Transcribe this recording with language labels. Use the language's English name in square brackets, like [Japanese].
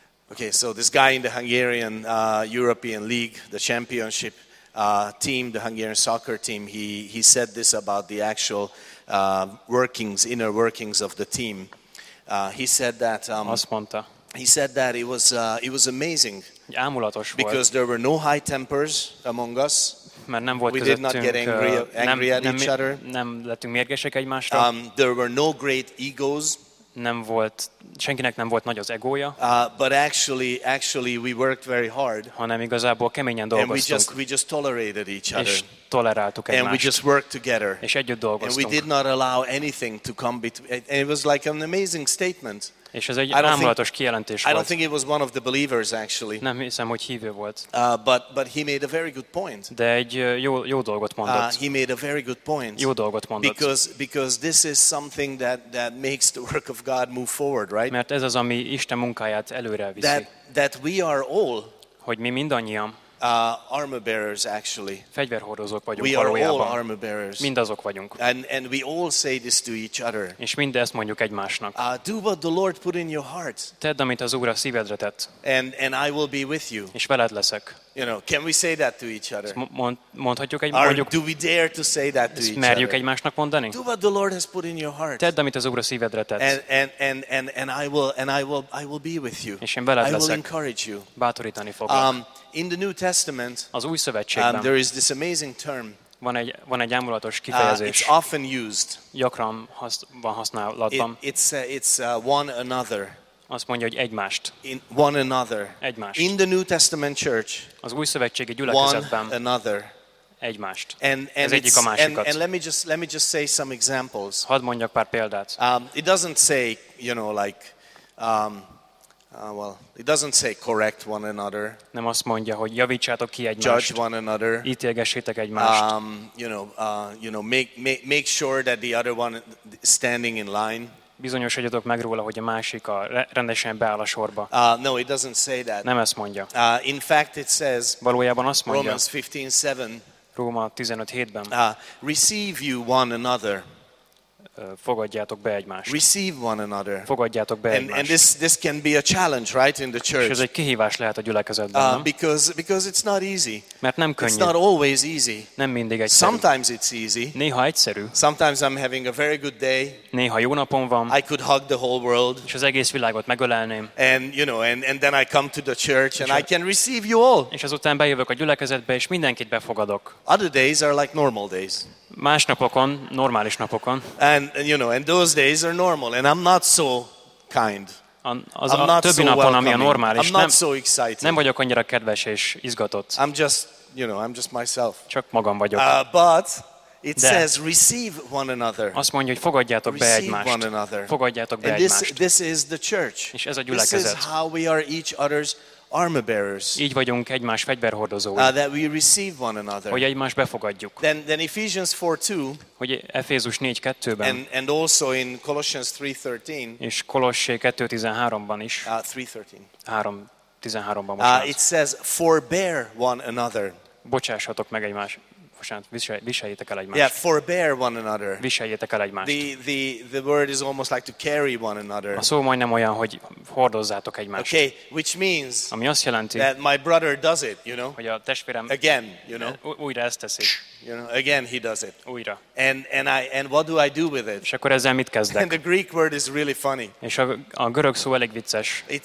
[English] okay, so this guy in the Hungarian European League, the championship team, the Hungarian soccer team, he said this about the actual workings, inner workings of the team. He said that it was amazing. [Hungarian] Ámulatos volt. [English] Because there were no high tempers among us. [Hungarian] Mert nem volt [English] we did not get angry at each other. [Hungarian] Nem lettünk mérgesek egymásra. [English] There were no great egos. [Hungarian] Nem volt, senkinek nem volt nagy az egója. [English] But actually we worked very hard. [Hungarian] Hanem igazából keményen dolgoztunk. [English] And we just tolerated each other. [Hungarian] És toleráltuk egymást. [English] And we just worked together. [Hungarian] És együtt dolgoztunk. [English] And we did not allow anything to come between. It was like an amazing statement. [Hungarian] És ez egy ámulatos kijelentés volt. [English] I don't think it was one of the believers actually. [Hungarian] Nem hiszem, hogy hívő volt. [English] But he made a very good point. [Hungarian] De egy jó dolgot mondott. [English] He made a very good point. [Hungarian] Jó dolgot mondott. [English] Because this is something that makes the work of God move forward, right? [Hungarian] Mert ez az, ami Isten munkáját előre viszi. [English] That we are all, [Hungarian] hogy mi mindannyian, [English] armor bearers actually. [Hungarian] Fegyverhordozók vagyunk [English] we [Hungarian] valójában. [English] Are all armor bearers. [Hungarian] Mindazok vagyunk. [English] And we all say this to each other. [Hungarian] És mindezt mondjuk egymásnak. [English] Do what the Lord put in your heart. [Hungarian] Tedd, amit az Úr a szívedre tett. [English] And I will be with you. [Hungarian] És veled leszek. [English] You know, can we say that to each other? [Hungarian] Mondhatjuk egymásnak. [English] Or do we dare to say that to each other? [Hungarian] Merjük egymásnak mondani? [English] Do what the Lord has put in your heart. [Hungarian] Tedd, amit az Úr a szívedre tett. [English] And I will be with you. [Hungarian] És én veled leszek. [English] I will encourage you. [Hungarian] Bátorítani foglak. [English] In the New Testament, [Hungarian] az Új Szövetségben, [English] there is this amazing term. [Hungarian] Van egy ámulatos kifejezés. [English] It's often used. [Hungarian] Gyakran van használatban. [English] It's one another. [Hungarian] Azt mondja, hogy egymást. [English] In one another. [Hungarian] Egymást. [English] In the New Testament church. [Hungarian] Az Új Szövetségi gyülekezetben. [English] One another. [Hungarian] Egymást. [English] And [Hungarian] ez egyik a másikat. [English] And let me just say some examples. [Hungarian] Hadd mondjak pár példát. [English] It doesn't say, you know, like Well, it doesn't say correct one another. [Hungarian] Nem azt mondja, hogy javítsátok ki egymást. [English] Judge one another. [Hungarian] Ítélgessétek egymást. [English] Make sure that the other one standing in line. [Hungarian] Bizonyosodjatok meg róla, hogy a másik a rendesen beáll a sorba. [English] No, it doesn't say that. [Hungarian] Nem ezt mondja. [English] In fact, it says. [Hungarian] Valójában azt mondja. [English] Romans 15:7. [Hungarian] Róma 15:7-ben. [English] Receive you one another. [Hungarian] Fogadjátok be egymást. [English] Receive one another. [Hungarian] Fogadjátok be egymást. [English] And this can be a challenge, right, in the church. [Hungarian] És ez egy kihívás lehet a gyülekezetben, nem? [English] Because it's not easy. [Hungarian] Mert nem könnyű. [English] It's not always easy. [Hungarian] Nem mindig egyszerű. [English] Sometimes it's easy. [Hungarian] Néha egyszerű. [English] Sometimes I'm having a very good day. [Hungarian] Néha jó napom van. [English] I could hug the whole world. [Hungarian] És az egész világot megölelném. [English] And you know, and then I come to the church and I can receive you all. [Hungarian] És azután bejövök a gyülekezetbe és mindenkit befogadok. [English] Other days are like normal days. [Hungarian] Más napokon, normális napokon. [English] And those days are normal, and I'm not so kind. I'm not [Hungarian] többi napon, ami a normális, [English] I'm not so excited. [Hungarian] Nem vagyok annyira kedves és izgatott. [English] I'm just myself. [Hungarian] Csak magam vagyok. [English] But it says receive one another. [Hungarian] Azt mondja, hogy fogadjátok be egymást. [English] Receive one another. [Hungarian] Fogadjátok be [English] and [Hungarian] egymást. [English] This is the church. [Hungarian] És ez a gyülekezet. [English] This is how we are each other's armor bearers. [Hungarian] Így vagyunk egymás fegyverhordozói. [English] That we receive one another. [Hungarian] Hogy egymást befogadjuk. [English] Then Ephesians 4:2. [Hungarian] Hogy Efézus 4:2-ben. [English] And also in Colossians 3:13. [Hungarian] És Kolossé 2:13-ban is. 3:13-ban. [English] It says forbear one another. [Hungarian] Bocsássatok meg egymást. Bocsánat, viseljétek el egymást. [English] Yeah, forbear one another. [Hungarian] Viseljétek el egymást. [English] The word is almost like to carry one another. [Hungarian] A szó majdnem olyan, hogy hordozzátok egymást. [English] Okay, which means. [Hungarian] Ami azt jelenti. [English] That my brother does it, you know. [Hungarian] Hogy a testvérem. [English] Again, you know. [Hungarian] Újra ezt teszi. [English] You know, again he does it. [Hungarian] Újra. [English] And what do I do with it? [Hungarian] És akkor ezzel mit kezdek? [English] And the Greek word is really funny. [Hungarian] És a görög szó elég vicces.